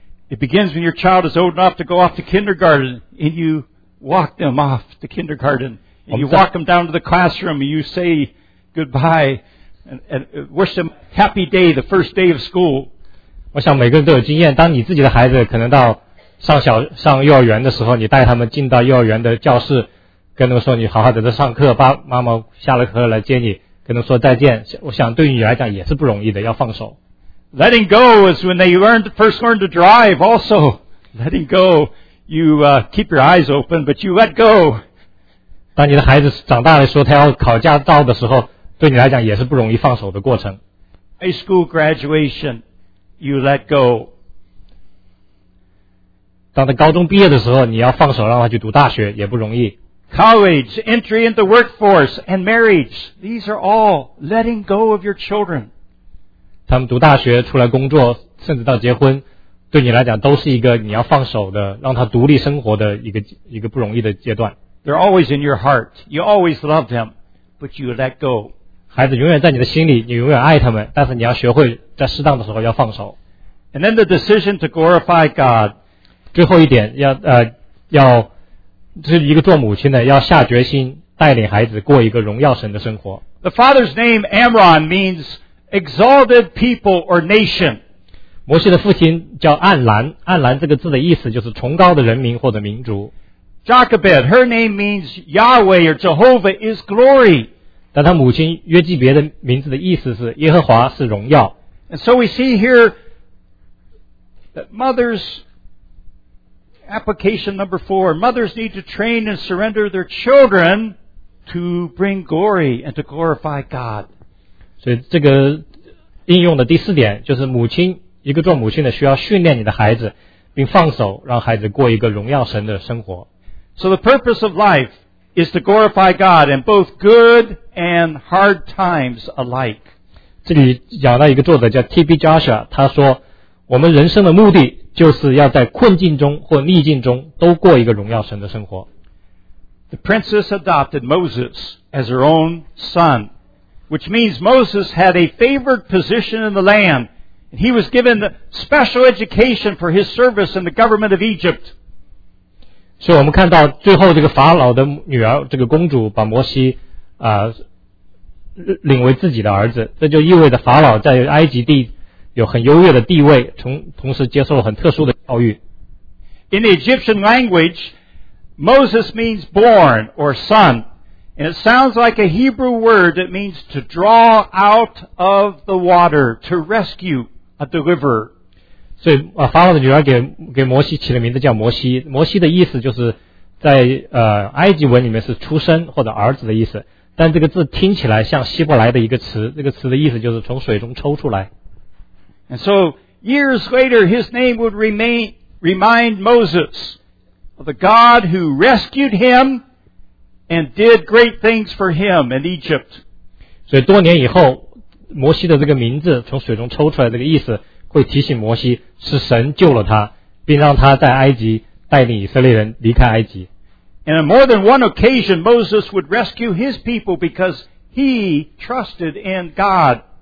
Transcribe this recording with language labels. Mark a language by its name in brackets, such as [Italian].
[English] It begins when your child is old enough to go off to kindergarten, and you walk them off to kindergarten, and you walk them down to the classroom, and you say goodbye, and wish them happy day, the first day of school. [Chinese] 我想每个人都有经验，当你自己的孩子可能到上小上幼儿园的时候，你带他们进到幼儿园的教室，跟他们说你好好的在上课，爸妈妈下了课来接你，跟他们说再见。我想对于你来讲也是不容易的，要放手。 [English] Letting go is when they learned first learned to drive. Also, letting go, you keep your eyes open, but you let go. [Chinese] 当你的孩子长大的时候，他要考驾照的时候，对你来讲也是不容易放手的过程。 [English] High school graduation, you let go. [Chinese] 当他高中毕业的时候，你要放手让他去读大学，也不容易。 [English] College, entry into the workforce, and marriage. These are all letting go of your children. [Chinese] 他们读大学出来工作甚至到结婚对你来讲都是一个你要放手的让他独立生活的一个不容易的阶段。 [English] They're always in your heart. You always love them, but you let go. [Chinese] 孩子永远在你的心里你永远爱他们但是你要学会在适当的时候要放手。 [English] And then the decision to glorify God. [Chinese] 最后一点要这是一个做母亲的要下决心带领孩子过一个荣耀神的生活。 [English] The father's name Amram means exalted people or nation. [Chinese] 摩西的父亲叫暗兰暗兰这个字的意思就是崇高的人民或者民族。 [English] Jochebed, her name means Yahweh or Jehovah is glory. [Chinese] 但他母亲约基别的名字的意思是耶和华是荣耀。 [English] And so we see here that mothers, application number four, mothers need to train and surrender their children to bring glory and to glorify God. [Chinese] 所以这个应用的第四点就是母亲一个做母亲的需要训练你的孩子并放手让孩子过一个荣耀神的生活。 [English] So the purpose of life is to glorify God in both good and hard times alike. [Chinese] 这里讲到一个作者叫 T.B. Joshua 他说我们人生的目的就是要在困境中或逆境中都过一个荣耀神的生活。 [English] The princess adopted Moses as her own son. Which means Moses had a favored position in the land. And he was given special education for his service in the government of Egypt. [Chinese] 所以我们看到最后这个法老的女儿这个公主把摩西领为自己的儿子。这就意味着法老在埃及地有很优越的地位同时接受了很特殊的教育。 [English] In the Egyptian language, Moses means born or son. And it sounds like a Hebrew word that means to draw out of the water, to rescue a deliverer. [Chinese] 所以法老的女儿给摩西起了名字叫摩西。摩西的意思就是在埃及文里面是出生或者儿子的意思。但这个字听起来像希伯来的一个词。这个词的意思就是从水中抽出来。 [English] And so, years later, his name would remind Moses of the God who rescued him,And did great things for him in Egypt. [Chinese] 所以多年以后，摩西的这个名字从水中抽出来，这个意思会提醒摩西是神救了他，并让他在埃及带领以色列人离开埃及。 [English] And on more than one occasion, Moses would rescue his people because he trusted in God.